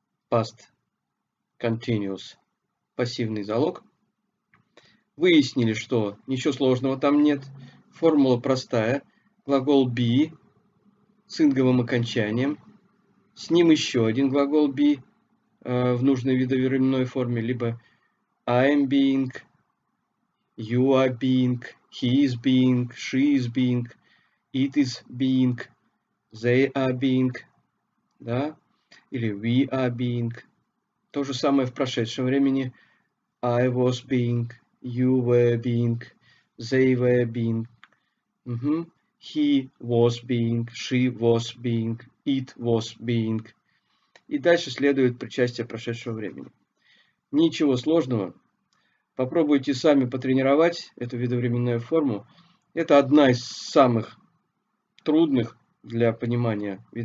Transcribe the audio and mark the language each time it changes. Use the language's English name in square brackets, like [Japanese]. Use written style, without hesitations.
[Russian] Past continuous. Пассивный залог. Выяснили, что ничего сложного там нет. Формула простая. Глагол be с инговым окончанием. С ним еще один глагол be в нужной видовременной форме. Либо [English] I am being, you are being, he is being, she is being, it is being, they are being. [Russian] Да? Или [English] we are being. [Russian] То же самое в прошедшем времени. [English] I was being. You were being, they were being, he was being, she was being, it was being. [Russian] И дальше следует причастие прошедшего времени. Ничего сложного. Попробуйте сами потренировать эту видовременную форму. Это одна из самых трудных для понимания видовременных форм. Но если тренировать ее, то все